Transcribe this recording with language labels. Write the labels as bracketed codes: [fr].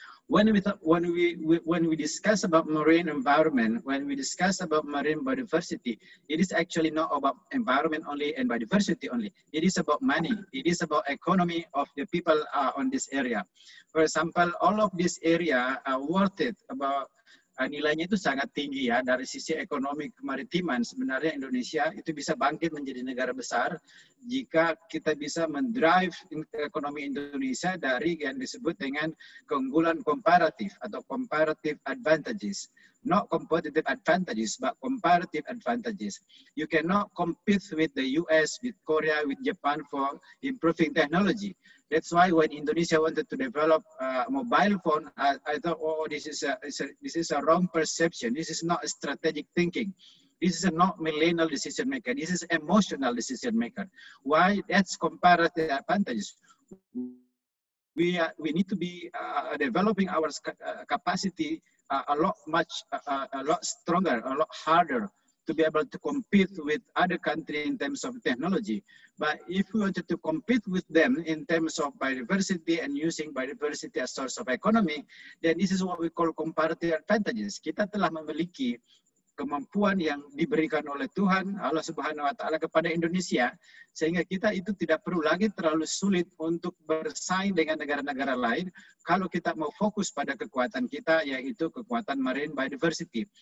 [en] when we discuss about marine environment, when we discuss about marine biodiversity, it is actually not about environment only and biodiversity only. It is about money. It is about economy of the people on this area. For example, all of this area are worth it. [id] About nilainya itu sangat tinggi ya dari sisi ekonomi kemaritiman. Sebenarnya Indonesia itu bisa bangkit menjadi negara besar jika kita bisa mendrive ekonomi Indonesia dari yang disebut dengan keunggulan komparatif atau comparative advantages. [en] Not competitive advantages, but comparative advantages. You cannot compete with the US, with Korea, with Japan for improving technology. That's why when Indonesia wanted to develop a mobile phone, I thought, oh, this is a wrong perception. This is not a strategic thinking. This is a not millennial decision maker. This is emotional decision maker. Why? That's comparative advantages. We need to be developing our capacity a lot stronger, a lot harder to be able to compete with other countries in terms of technology. But if we wanted to compete with them in terms of biodiversity and using biodiversity as source of economy, then this is what we call comparative advantages. [id] Kita telah memiliki kemampuan yang diberikan oleh Tuhan, Allah Subhanahu Wa Taala kepada Indonesia, sehingga kita itu tidak perlu lagi terlalu sulit untuk bersaing dengan negara-negara lain kalau kita mau fokus pada kekuatan kita, yaitu kekuatan marine biodiversity.